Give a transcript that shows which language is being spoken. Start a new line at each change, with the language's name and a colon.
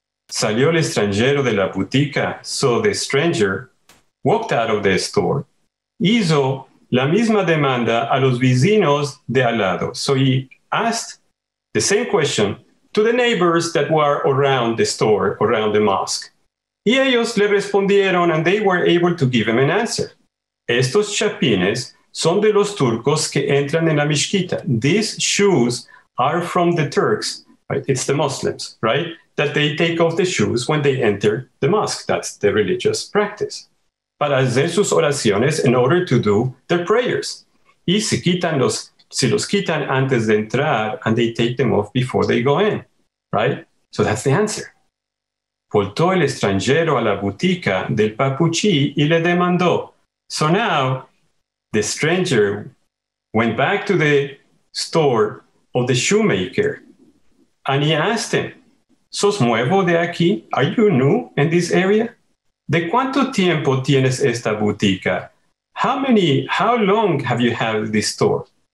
Ladino: Salió el extranjero de la boutique,
English: so the stranger walked out of the store,
Ladino: hizo la misma demanda a los vecinos de al lado.
English: So he asked the same question to the neighbors that were around the store, around the mosque.
Ladino: Y ellos le respondieron,
English: and they were able to give him an answer.
Ladino: Estos chapines son de los turcos que entran en la mezquita.
English: These shoes are from the Turks, right? It's the Muslims, right? That they take off the shoes when they enter the mosque. That's the religious practice.
Ladino: Para hacer sus oraciones,
English: in order to do their prayers.
Ladino: Y si los quitan antes de entrar,
English: and they take them off before they go in, right? So that's the answer.
Ladino: Voltó el extranjero a la boutique del papuchi y le demandó.
English: So now, the stranger went back to the store of the shoemaker and he asked him,
Ladino: ¿Sos nuevo de aquí?
English: Are you new in this area?
Ladino: ¿De cuánto tiempo tienes esta boutique?
English: How long have you had this store?